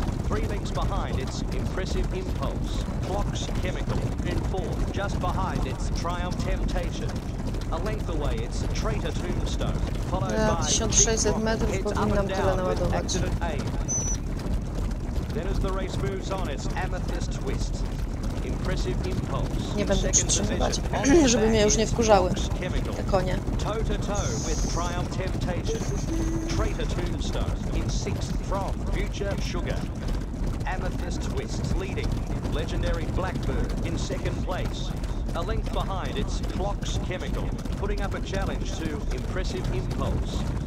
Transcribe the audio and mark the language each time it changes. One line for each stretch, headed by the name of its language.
English: Three lengths behind its Impressive Impulse. Clocks Chemical in fourth, just behind its Triumph Temptation. A length away its Traitor Tombstone, followed by 1600
Polish: metrów powinnam tyle naładować.
English: Accident A. Then as the race moves on, it's Amethyst Twist. Impressive Impulse.
Polish: Nie będę przytrzymywać, żeby mnie już nie wkurzały te konie.
English: Toe to toe with Triumph Temptation. Traitor Tombstone in sixth from Future Sugar. Amethyst Twist leading. Legendary Blackbird in second place. A length behind its Clocks Chemical, putting up a challenge to Impressive Impulse.